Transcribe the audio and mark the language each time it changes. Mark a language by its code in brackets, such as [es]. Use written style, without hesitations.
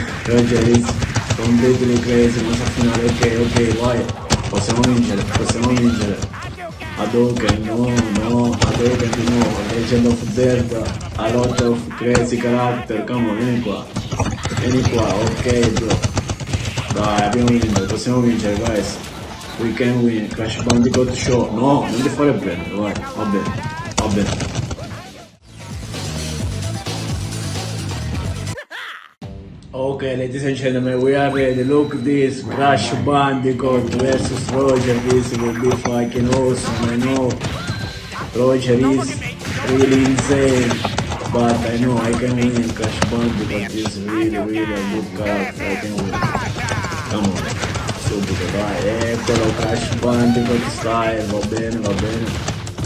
[en] Roger is completely crazy. [it] Ma sa finale, ok, vai. Possiamo vincere, possiamo vincere. Hadouken, no, Hadouken di nuovo, Legend of Zelda, [en] a lot of crazy character, come on, [it] vieni qua, ok bro, dai, abbiamo vinto, possiamo vincere, [en] guys, we can win, [it] Crash Bandicoot Show, no, non ti fare prendere, vai, va bene, va bene. [en] Ok, ladies and gentlemen, we are ready. Look at this, Crash Bandicoot versus Roger. This will be fucking awesome, I know. Roger is really insane, but I know I can win. Crash Bandicoot is really, really a good character. I can win. [it] Come on, subito, vai. Eccolo, Crash Bandicoot style, va bene, va bene.